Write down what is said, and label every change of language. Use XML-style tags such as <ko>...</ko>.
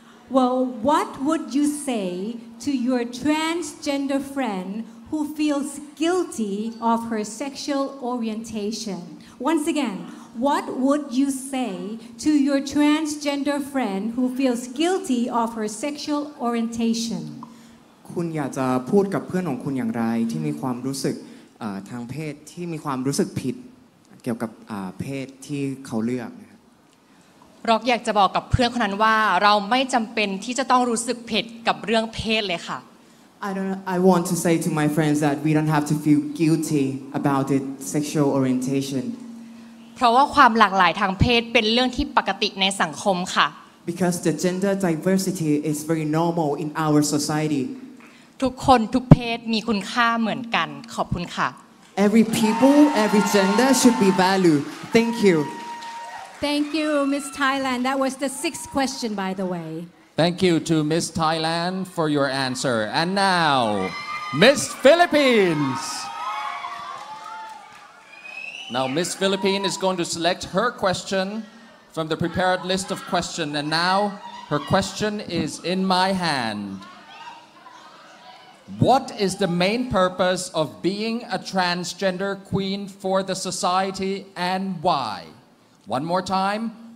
<en>Well, what would you say to your transgender friend who feels guilty of her sexual orientation? Once again, what would you say to your transgender friend who feels guilty of her sexual orientation?</en> <th>คุณอยากจะพูดกับเพื่อนของคุณอย่างไรที่มีความรู้สึกทางเพศที่มีความรู้สึกผิดเกี่ยวกับเพศที่เขาเลือก ร็อกอยากจะบอกกับเพื่อนคนนั้นว่าเราไม่จำเป็นที่จะต้องรู้สึกผิดกับเรื่องเพศเลยค่ะ</th> <en>I want to say to my friends that we don't have to feel guilty about it sexual orientation</en> <th>เพราะว่าความหลากหลายทางเพศเป็นเรื่องที่ปกติในสังคมค่ะ</th> <en>Because the gender diversity is very normal in our society</en> <th>ทุกคนทุกเพศมีคุณค่าเหมือนกันขอบคุณค่ะ</th> <en>Every people every gender should be valued Thank you Miss Thailand that was the sixth question by the way Thank you to Miss Thailand for your answer and now Miss Philippines Now Miss Philippines is going to select her question from the prepared list of questions and now her question is in my handWhat is the main purpose of being a transgender queen for the society and why? One more time.</en>